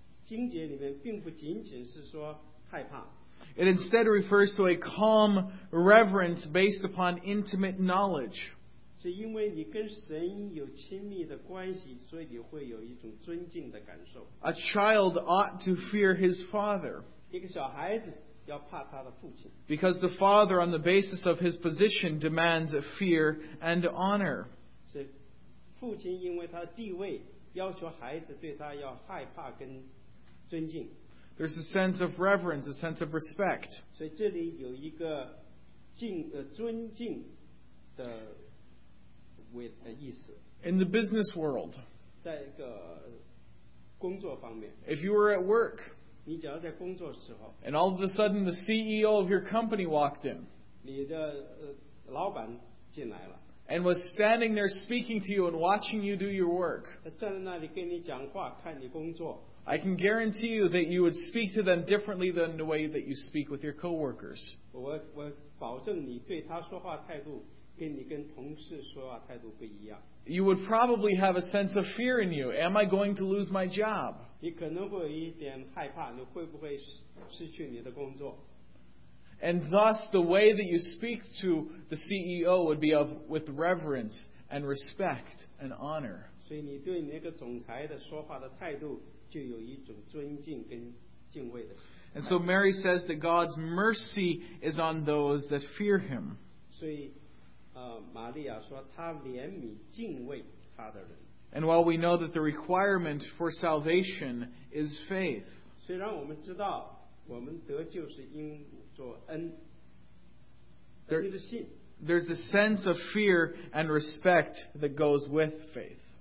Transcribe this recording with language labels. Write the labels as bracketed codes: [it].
[zh] 经节里面并不仅仅是说害怕。 [en] It instead refers to a calm reverence based upon intimate knowledge. [zh] 是因为你跟神有亲密的关系，所以你会有一种尊敬的感受。 [en] A child ought to fear his father. [zh] 一个小孩子要怕他的父亲。 [en] Because the father, on the basis of his position, demands fear and honor. [zh] 是父亲因为他的地位，要求孩子对他要害怕跟尊敬。 [en] There's a sense of reverence, a sense of respect. [zh] 所以这里有一个尊敬的 [en] with the [zh] 意思。 [en] In the business world, [zh] 在一个工作方面。 [en] If you were at work, [zh] 你只要在工作时候。 [en] And all of a sudden the CEO of your company walked in. [zh] 你的老板进来了。 [en] And was standing there speaking to you and watching you do your work. [zh] 他站在那里跟你讲话，看你工作。 [en] I can guarantee you that you would speak to them differently than the way that you speak with your coworkers. [zh] 我保证你对他说话态度跟你跟同事说话态度不一样。 [en] You would probably have a sense of fear in you. Am I going to lose my job? [zh] 你可能会有一点害怕，你会不会失去你的工作？ [en] And thus, the way that you speak to the CEO would be of with reverence and respect and honor. [zh] 所以你对那个总裁的说话的态度就有一种尊敬跟敬畏的。 [en] And so Mary says that God's mercy is on those that fear him. [zh] 所以玛利亚说她怜悯敬畏他的人。 [en] And while we know that the requirement for salvation is faith, [zh] 虽然我们知道我们得救是因做恩，恩的信。 [en] There's a sense of fear and respect that goes with faith.